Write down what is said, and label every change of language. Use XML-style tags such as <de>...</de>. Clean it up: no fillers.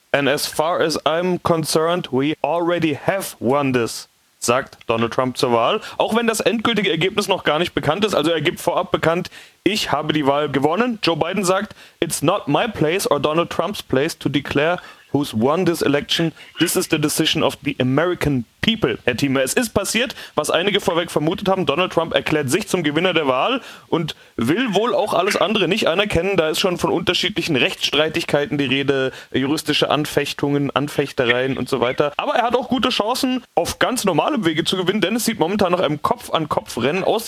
<en>And as far as I'm concerned, we already have won this, sagt Donald Trump zur Wahl.</en> <de>Auch wenn das endgültige Ergebnis noch gar nicht bekannt ist, also er gibt vorab bekannt, ich habe die Wahl gewonnen.</de> <en>Joe Biden sagt, it's not my place or Donald Trump's place to declare who's won this election. This is the decision of the American people, Herr Thieme.</en> <de>Es ist passiert, was einige vorweg vermutet haben. Donald Trump erklärt sich zum Gewinner der Wahl und will wohl auch alles andere nicht anerkennen. Da ist schon von unterschiedlichen Rechtsstreitigkeiten die Rede, juristische Anfechtungen, Anfechtereien und so weiter. Aber er hat auch gute Chancen, auf ganz normalem Wege zu gewinnen, denn es sieht momentan nach einem Kopf-an-Kopf-Rennen aus.</de>